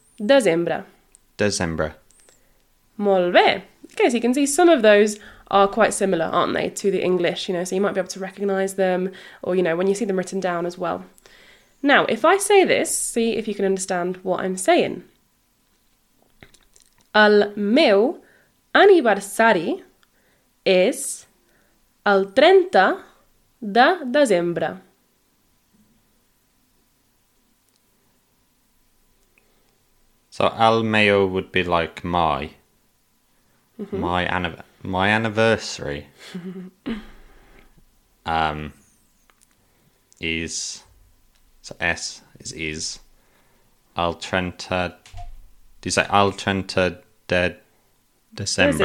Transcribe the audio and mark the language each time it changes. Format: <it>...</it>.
<ca>Desembre. Desembre. Molt bé.</ca> <en>Okay, so you can see some of those are quite similar, aren't they, to the English, you know, so you might be able to recognise them or, you know, when you see them written down as well. Now, if I say this, see if you can understand what I'm saying.</en> <ca>El meu aniversari és el 30 de desembre.</ca> <en>So,</en> <ca>el meu</ca> <en>would be like my. Mm-hmm. My anniversary is, so S is al 30, do you say</en> <ca>al 30 de</ca> <en>December?</en>